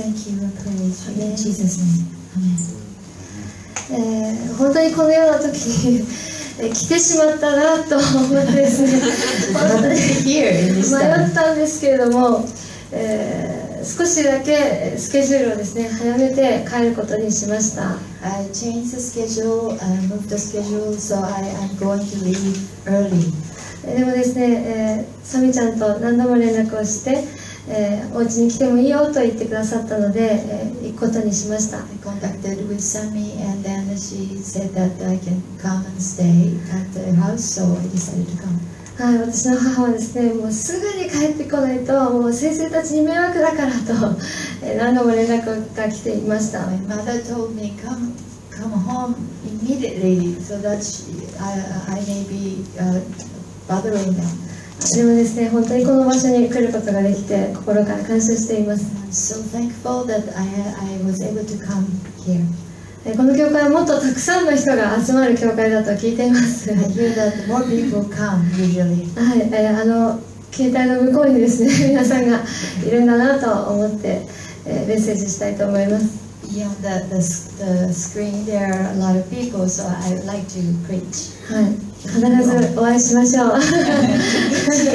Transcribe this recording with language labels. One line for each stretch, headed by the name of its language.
English: Thank you, Lord. Praise you. Amen. Jesus name. Amen.
Japanese: 本当にこのような時来てしまったなと思ってですね。迷ったんですけれども、少しだけスケジュールをですね早めて帰ることにしました。
English: I changed the schedule. I moved the schedule, so I'm going to leave early.
Japanese: でもですね、サミちゃんと何度も連絡をして、お家に来てもいいよと言ってくださったので、行くことにしました。
English: I contacted with Sami and then she said that I can come and stay at the house, so I decided to come.
Japanese: はい、私の母はですね、もうすぐに帰ってこないともう先生たちに迷惑だからと何度も連絡が来ていました。
English: My mother told me come home immediately so that I may be bothering them.
Japanese: でもですね、本当にこの場所に来ることができて心から感謝しています。
English: So thankful that I was able to come here.
Japanese: この教会はもっとたくさんの人が集まる教会だと聞いています。
English: I hear that more people come usually.
Japanese: 、はい、あの携帯の向こうにですね皆さんがいるんだなと思って、メッセージしたいと思います。
English: Yeah, the screen there are a lot of people, so I would like to preach.
Japanese: はい、必ずお会いしましょう。